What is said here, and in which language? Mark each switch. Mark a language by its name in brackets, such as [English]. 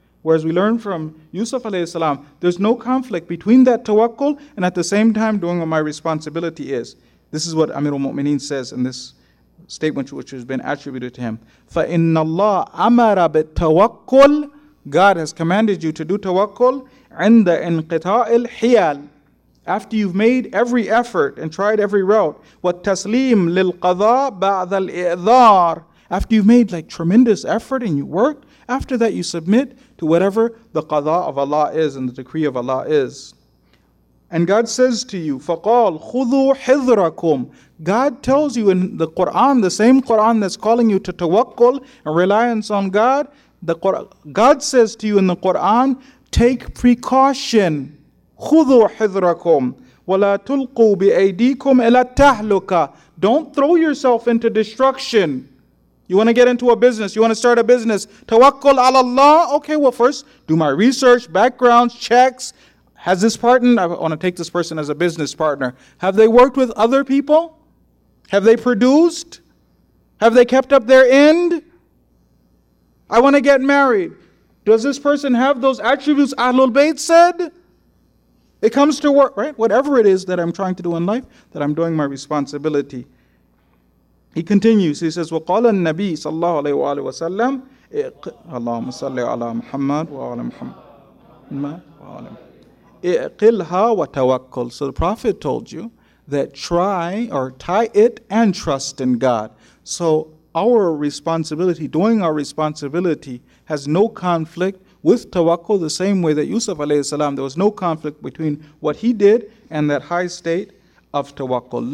[English] Whereas we learn from Yusuf alayhi salam, there's no conflict between that tawakkul and at the same time doing what my responsibility is. This is what Amir al-Mu'mineen says in this statement which has been attributed to him. [Arabic] فَإِنَّ اللَّهَ أَمَرَ بِالتَّوَكُّلِ. [English] God has commanded you to do tawakkul [Arabic] عند انقطاع الحيال. [English] After you've made every effort and tried every route. [Arabic] والتسليم للقضاء بعد الإعذار. [English] After you've made like tremendous effort and you worked, after that you submit to whatever the qadha of Allah is and the decree of Allah is. And God says to you, [Arabic] فَقَالْ خُذُوا حِذْرَكُمْ. [English] God tells you in the Qur'an, the same Qur'an that's calling you to tawakkul and reliance on God, God says to you in the Qur'an, take precaution. [Arabic] خُذُوا حِذْرَكُمْ وَلَا تُلْقُوا بِأَيْدِيكُمْ إِلَى التَّهْلُكَةِ. [English] Don't throw yourself into destruction. You want to get into a business, you want to start a business. [Arabic] Tawakkul ala Allah. [English] Okay, well first, do my research, backgrounds, checks. Has this partner, I want to take this person as a business partner. Have they worked with other people? Have they produced? Have they kept up their end? I want to get married. Does this person have those attributes Ahlul Bayt said? It comes to work, right? Whatever it is that I'm trying to do in life, that I'm doing my responsibility. He continues, he says, [Arabic] وَقَالَ النَّبِي صَلَّى اللَّهُ عَلَيْهُ وَآلِهِ وَسَلَّمَ اللَّهُمَّ صَلِّ عَلَى مُحَمَّدْ وَعَلَى مُحَمَّدْ. اِعْقِلْهَا وَتَوَكُّلْ. [English] So the Prophet told you that try or tie it and trust in God. So our responsibility, doing our responsibility, has no conflict with tawakkul, the same way that Yusuf alayhi salam, there was no conflict between what he did and that high state of tawakkul.